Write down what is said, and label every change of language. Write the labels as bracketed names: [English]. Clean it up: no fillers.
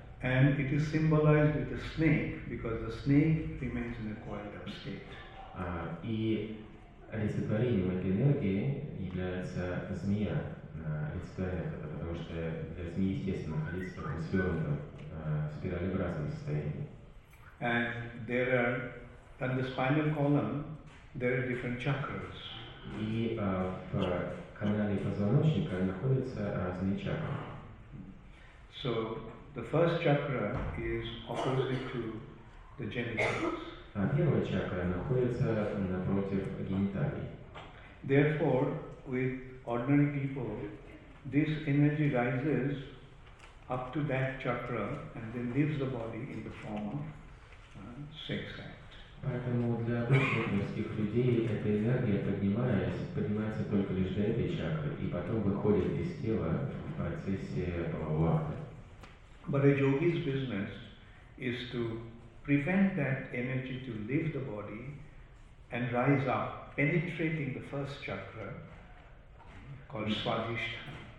[English] And it is symbolized with a snake, because the snake remains in a coiled up state. [Russian] И олицетворением этой энергии является змея, потому что для змеи, естественно, находится в таком свернутом, спиралеобразном состоянии. [English] And there are on the spinal column there are different chakras. [Russian] И в канале позвоночника находится разные чакры. [English] So the first chakra is opposite to the genitals. [Russian] А первая чакра находится напротив гениталий. [English] Therefore, with ordinary people, this energy rises up to that chakra and then leaves the body in the form of sex act. [Russian] Поэтому для обычных людей эта энергия поднимается только лишь до этой чакры и потом выходит из тела в процессе полового акта. [English] But a yogi's business is to prevent that energy to leave the body and rise up, penetrating the first chakra called Swadhisthana.